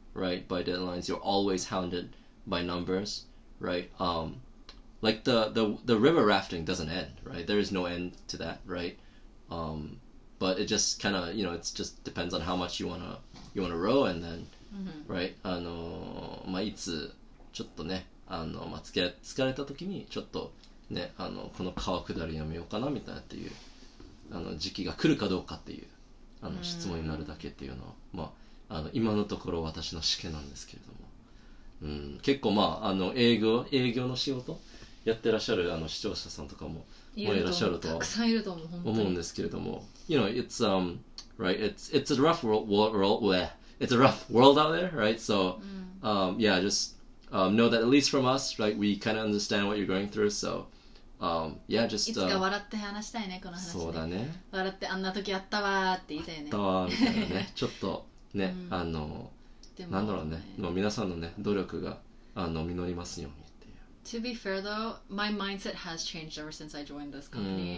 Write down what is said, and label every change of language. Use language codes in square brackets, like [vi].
[en] right, by deadlines. You're always hounded by numbers, right? Like the river rafting doesn't end, right? There is no end to that, right? But it just kind of, you know, it just depends on how much you wanna row, and then, mm-hmm. right? [ja] いつちょっとね、つけ疲れた時にちょっとね、この川下りやめようかなみたいなっていう時期が来るかどうかっていう質問になるだけっていうのは、まあ今のところ私の試験なんですけれども、結構まあ営業の仕事やってらっしゃる視聴者さんとかもいらっしゃるとたくさんいると思うんですけれども、 [en] you know it's right it's a rough world where it's a rough world out there right so、 [ja] うん、 [en] yeah just、know that at least from us right we kind of understand what you're going through so、yeah just [ja] いつか笑って話したいねこの話そうだね笑ってあんな時あったわーって言いたいねあったわーみたいなねちょっとね、うん、なんだろうね、まあ、皆さんのね努力が実りますようにっていう。 [en] To be fair though, my mindset has changed ever since I joined this company,、